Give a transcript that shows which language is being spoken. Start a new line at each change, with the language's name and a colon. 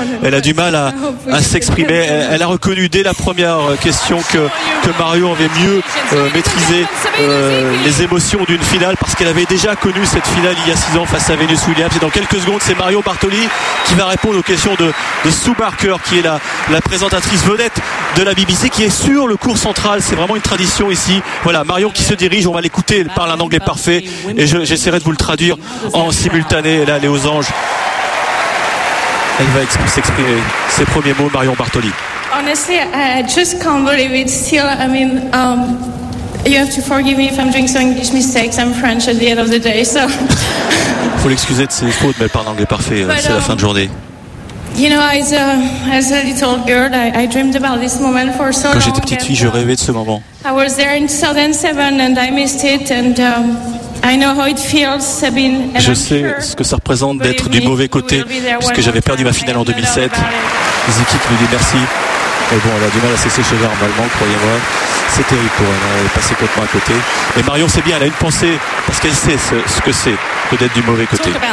French: Elle a du mal à s'exprimer. Elle a reconnu dès la première question que Mario avait mieux maîtrisé les émotions d'une finale, parce qu'elle avait déjà connu cette finale il y a 6 ans face à Venus Williams. Et dans quelques secondes, c'est Mario Martelly qui va répondre aux questions de Sue Barker, qui est la présentatrice vedette de la BBC, qui est sur le cours central. C'est vraiment une tradition ici. Voilà, Marion qui se dirige, on va l'écouter, elle parle un anglais parfait et j'essaierai de vous le traduire en simultané. Là, elle est aux anges, elle va s'exprimer. Ses premiers mots, Marion Bartoli.
English: Honestly, I just can't believe it still. I mean, you have to forgive me if I'm doing some English mistakes. I'm French at the end of the day, so
French: il faut l'excuser de ses fautes, mais elle parle anglais parfait. But, c'est la fin de journée.
English: You know, as a little girl, I dreamed about this moment for so long.
French: Quand j'étais petite fille, je rêvais de ce moment.
English: I was there in 2007 and I missed it, and I know how it feels, Sabine.
French: Je sais ce que ça représente d'être du mauvais côté, puisque j'avais perdu ma finale en 2007. Zeki qui nous dit merci. Mais bon, elle a du mal à sécher ses larmes normalement, croyez-moi. C'est terrible pour elle, elle est passée complètement à côté. Mais Marion, c'est bien, elle a une pensée, parce qu'elle sait ce que c'est que d'être du mauvais côté.